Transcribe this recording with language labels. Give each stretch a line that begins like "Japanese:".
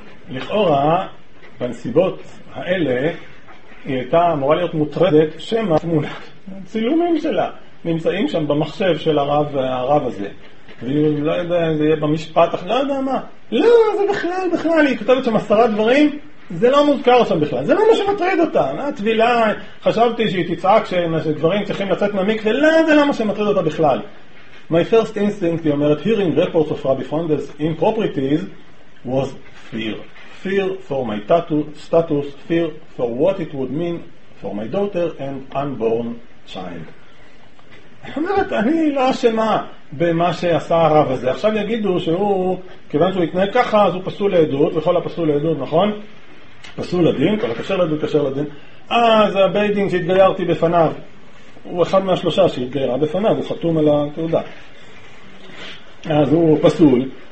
Hebrew: לכאורה, בנסיבות האלה, היא הייתה אמורה להיות מוטרדת שמה תמונה, צילומים שלה, נמצאים שם במחשב של הרב הזה. והיא לא יודע, זה יהיה במשפט, לא יודע מה. לא, זה בכלל, בכלל, היא כתבת שם 10 דברים, זה לא מוזכר שם בכלל, זה לא מה שמטריד אותה. התבילה, חשבתי שהיא תצעק שגברים צריכים לצאת מהמיק, ולא, זה לא מה שמטריד אותה בכלל.
English: My first instinct,
Hebrew: היא אומרת,
English: hearing reports of Rabbi Fonda's improprieties, was fear. Fear for my status, fear for what it would mean for my daughter and unborn child.
Hebrew: אומרת, אני לא אשמה במה שעשה הרב הזה. עכשיו יגידו שהוא, כיוון שהוא התנהג ככה, אז הוא פסול לעדות, וכל הפסול לעדות, נכון? פסול לדין, כל הקשר לדין, קשר לדין. זה הבית דין שהתגיירתי בפניו. הוא אחד מהשלושה שהתגיירה בפניו, הוא חתום על התעודה. אז הוא פסול.